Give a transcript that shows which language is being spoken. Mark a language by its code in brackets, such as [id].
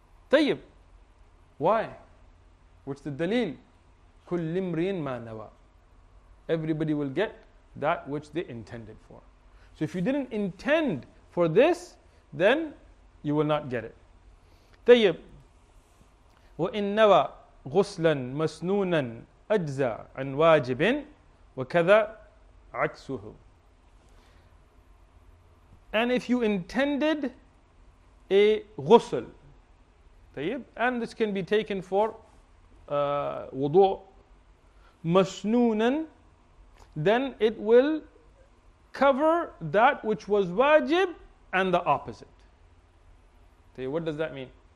[en] طيب. Why? What's the dalil? [ar] كل امرئ ما نوى. [en] Everybody will get that which they intended for. So if you didn't intend for this, then you will not get it. [ar] طيب. وإن نوى غسلا مسنونا أجزى عن واجب وكذا عكسه. [en] And if you intended a غسل, and this can be taken for wudu, masnoonan, then it will cover that which was wajib and the opposite. What does that mean?